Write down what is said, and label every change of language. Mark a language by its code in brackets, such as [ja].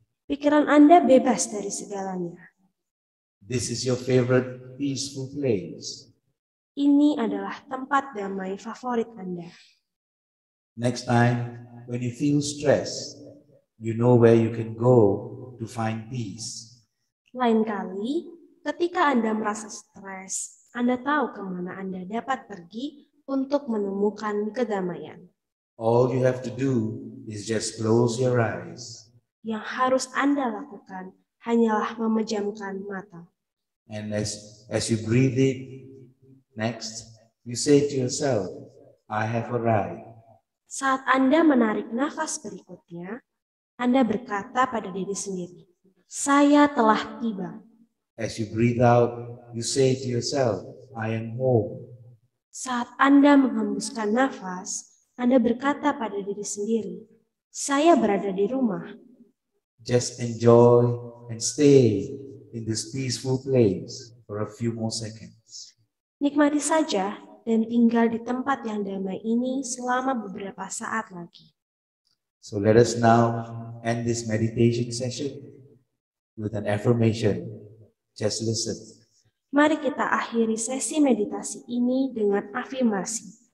[id] Pikiran Anda bebas dari segalanya. [en] This is your favorite peaceful place. [id] Ini adalah tempat damai favorit Anda. [en] Next time, when you feel stressed, you know where you can go to find peace. [id] Lain kali, ketika Anda merasa stres, Anda tahu kemana Anda dapat pergi untuk menemukan kedamaian. [en] All you have to do is just close your eyes. [id] Yang harus Anda lakukan hanyalah memejamkan mata. [en] And as you breathe it, next, you say to yourself, I have arrived. [id] Saat Anda menarik nafas berikutnya, Anda berkata pada diri sendiri, saya telah tiba. [en] As you breathe out, you say to yourself, I am home. [id] Saat Anda menghembuskan nafas, Anda berkata pada diri sendiri, saya berada di rumah. [en] Just enjoy and stay in this peaceful place for a few more seconds. [id] Nikmati saja dan tinggal di tempat yang damai ini selama beberapa saat lagi. [en] So let us now end this meditation session with an affirmation. Just listen. [id] Mari kita akhiri sesi meditasi ini dengan afirmasi.